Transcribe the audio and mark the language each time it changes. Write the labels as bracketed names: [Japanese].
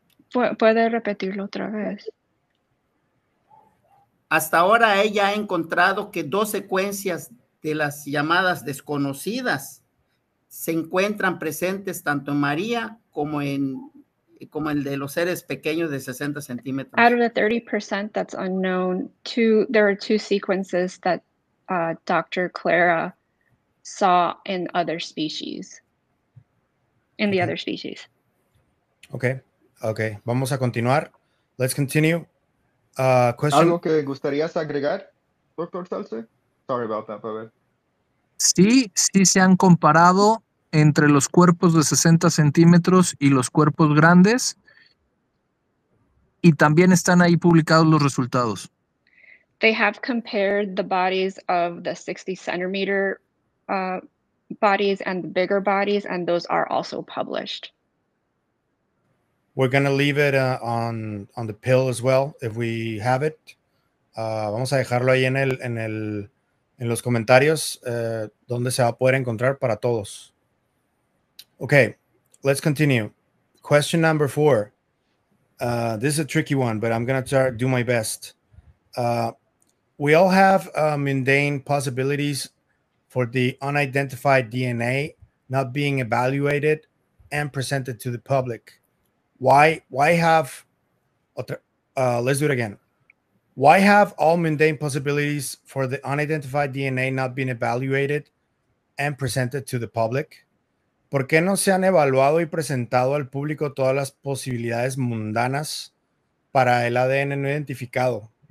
[Spanish] ¿Puede repetirlo otra vez? Hasta ahora ella ha encontrado que dos secuencias de las llamadas desconocidas se encuentran presentes tanto en María como en el de los seres pequeños de 60 centímetros. [English] Out of the 30% that's unknown, there are two sequences that Dr. Clara saw in other species. In the other species. [Spanish] Okay. Vamos a continuar. [English] Let's continue. [Spanish] ¿Algo que gustarías agregar, doctor Salce? [English] Sorry about that, [Spanish] Pepe. Sí, sí se han comparado entre los cuerpos de 60 centímetros y los cuerpos grandes. Y también están ahí publicados los resultados. [English] They have compared the bodies of the 60 centimeter bodies and the bigger bodies, and those are also published. We're going to leave it on the pill as well, if we have it. [Spanish] Vamos a dejarlo ahí en los comentarios, donde se va a poder encontrar para todos. [English] Okay, let's continue. Question number 4. This is a tricky one, but I'm going to do my best. We all have mundane possibilities for the unidentified DNA not being evaluated and presented to the public. Why have all mundane possibilities for the unidentified DNA not been evaluated and presented to the public? [Spanish] ¿Por qué no se han evaluado y presentado al público todas las posibilidades mundanas para el ADN no identificado?